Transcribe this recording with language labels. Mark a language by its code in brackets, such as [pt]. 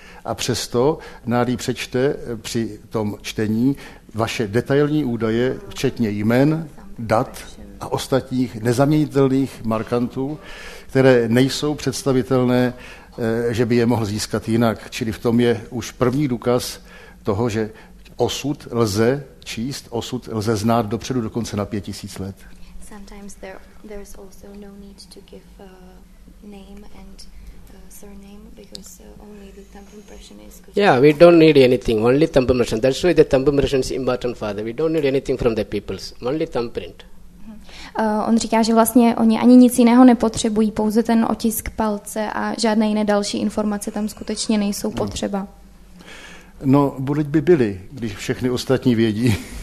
[cs] A přesto nádý přečte při tom čtení vaše detailní údaje, včetně jmen, dat a ostatních nezaměnitelných markantů, které nejsou představitelné, že by je mohl získat jinak. Čili v tom je už první důkaz toho, že osud lze číst, osud lze znát dopředu dokonce na 5000 let. [en] Sometimes there is also no need to give name and surname because only the thumb impression is good. Yeah, we don't need anything, only thumb impression. That's why the thumb impression is important for them. We don't need anything from the peoples, only thumbprint. [cs] On říká, že vlastně oni ani nic jiného nepotřebují, pouze ten otisk palce a žádné jiné další informace tam skutečně nejsou potřeba. No, buď by byli, když všechny ostatní vědí.